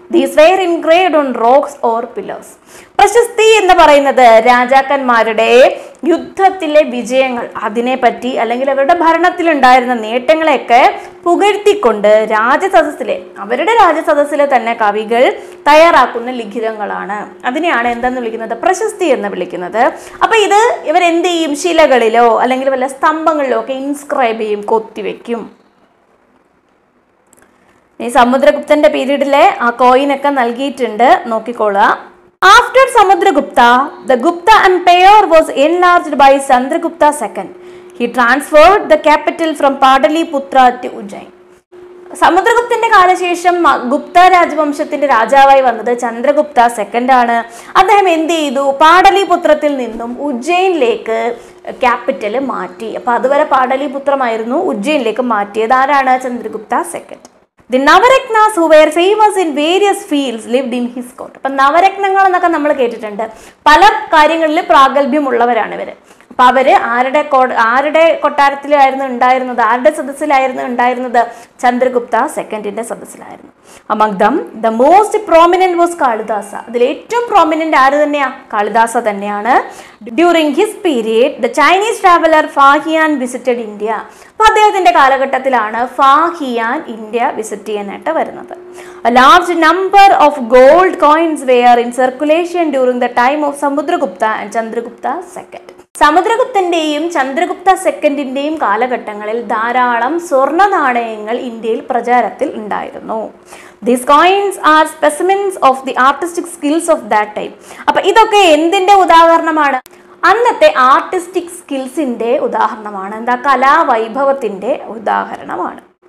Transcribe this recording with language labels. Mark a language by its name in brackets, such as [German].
[English] These were engraved on rocks or pillars. [Malayalam] പ്രശസ്തി എന്ന് പറയുന്നത് രാജാക്കന്മാരുടെ യുദ്ധത്തിലെ വിജയങ്ങൾ, അതിനെപ്പറ്റി അല്ലെങ്കിൽ അവരുടെ ഭരണത്തിലുണ്ടായിരുന്ന നേട്ടങ്ങളെയൊക്കെ പുകഴ്ത്തിക്കൊണ്ട് രാജസദസ്സിലെ, അവരുടെ രാജസദസ്സിലെ തന്നെ കവികൾ തയ്യാറാക്കുന്ന ലിഖിതങ്ങളാണ്. അതിനെയാണ് എന്തെന്ന് വിളിക്കുന്നത്, പ്രശസ്തി എന്ന് വിളിക്കുന്നത്. അപ്പം ഇത് ഇവരെന്ത് ചെയ്യും, ശിലകളിലോ അല്ലെങ്കിൽ വല്ല സ്തംഭങ്ങളിലോ ഒക്കെ ഇൻസ്ക്രൈബ് ചെയ്യും, കൊത്തിവെക്കും. ഈ സമുദ്രഗുപ്തന്റെ പീരീഡിലെ ആ കോയിനൊക്കെ നൽകിയിട്ടുണ്ട്, നോക്കിക്കോളുക. [English] After Samudragupta, the Gupta Empire was enlarged by Chandragupta II. He transferred the capital from Pataliputra to Ujjain. [Malayalam] സമുദ്രഗുപ്തന്റെ കാലശേഷം ഗുപ്ത രാജവംശത്തിന്റെ രാജാവായി വന്നത് ചന്ദ്രഗുപ്ത സെക്കൻഡ് ആണ്. അദ്ദേഹം എന്ത് ചെയ്തു, പാടലിപുത്രത്തിൽ നിന്നും ഉജ്ജയിനിലേക്ക് ക്യാപിറ്റൽ മാറ്റി. അപ്പൊ അതുവരെ പാടലിപുത്രമായിരുന്നു, ഉജ്ജയിനിലേക്ക് മാറ്റിയത് ആരാണ്, Chandragupta second. [English] The Navaratnas who were famous in various fields lived in his court. [Malayalam] അപ്പം നവരത്നങ്ങൾ എന്നൊക്കെ നമ്മൾ കേട്ടിട്ടുണ്ട്, പല കാര്യങ്ങളിൽ പ്രാഗൽഭ്യമുള്ളവരാണ് ഇവർ. അപ്പം അവർ ആരുടെ കൊട്ടാരത്തിലായിരുന്നു ഉണ്ടായിരുന്നത്, ആരുടെ സദസ്സിലായിരുന്നു ഉണ്ടായിരുന്നത്, Chandragupta സെക്കൻഡിൻ്റെ സദസ്സിലായിരുന്നു. [English] Among them, the most prominent was Kalidasa. [Malayalam] അതിൽ ഏറ്റവും പ്രോമിനൻ്റ് ആര് തന്നെയാണ്, കാളിദാസ തന്നെയാണ്. [English] During his period the Chinese traveller Fahien visited India. [Malayalam] അപ്പോൾ അദ്ദേഹത്തിൻ്റെ കാലഘട്ടത്തിലാണ് ഫാഹിയാൻ ഇന്ത്യ വിസിറ്റ് ചെയ്യാനായിട്ട് വരുന്നത്. [English] A large number of gold coins were in circulation during the time of Samudragupta and Chandragupta II. [Malayalam] സമുദ്രഗുപ്തന്റെയും Chandragupta സെക്കൻഡിന്റെയും കാലഘട്ടങ്ങളിൽ ധാരാളം സ്വർണ നാണയങ്ങൾ ഇന്ത്യയിൽ പ്രചാരത്തിൽ ഉണ്ടായിരുന്നു. [English] These coins are specimens of the artistic skills of that time. [Malayalam] അപ്പൊ ഇതൊക്കെ എന്തിന്റെ ഉദാഹരണമാണ്, അന്നത്തെ ആർട്ടിസ്റ്റിക് സ്കിൽസിന്റെ ഉദാഹരണമാണ്, എന്താ കലാവൈഭവത്തിന്റെ ഉദാഹരണമാണ്.